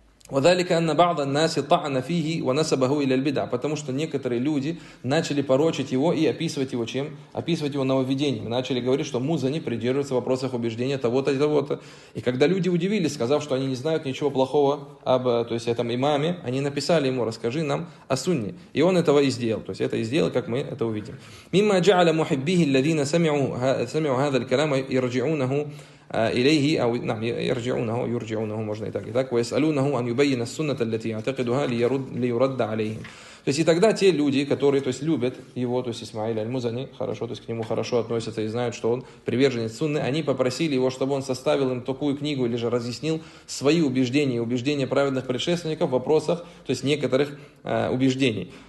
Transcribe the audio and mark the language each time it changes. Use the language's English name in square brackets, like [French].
[Arabic] وذلك أن بعض الناس طعن فيه ونسبه إلى البدع، [Russian] потому что некоторые люди начали порочить его и описывать его чем? Описывать его нововведением. Начали говорить, что Музани придерживается в вопросах убеждения того-то и того-то. И когда люди удивились, сказав, что они не знают ничего плохого об то есть этом имаме, они написали ему: расскажи нам о сунне. И он этого и сделал. То есть это и сделал, как мы это увидим. [Arabic] مما جعل محبيه الذين سمعوا هذا الكلام يرجعونه إليه أو نعم يرجعونه [Russian] можно и так и так [Arabic] ويسألونه أن يبين السنة التي يعتقدها ليرد عليهم. [Russian] То есть и тогда те люди, которые то есть любят его, то есть Исмаиль аль-Музани, хорошо, то есть к нему хорошо относятся и знают, что он приверженец сунны, они попросили его, чтобы он составил им такую книгу или же разъяснил свои убеждения, убеждения праведных предшественников в вопросах, то есть некоторых убеждений.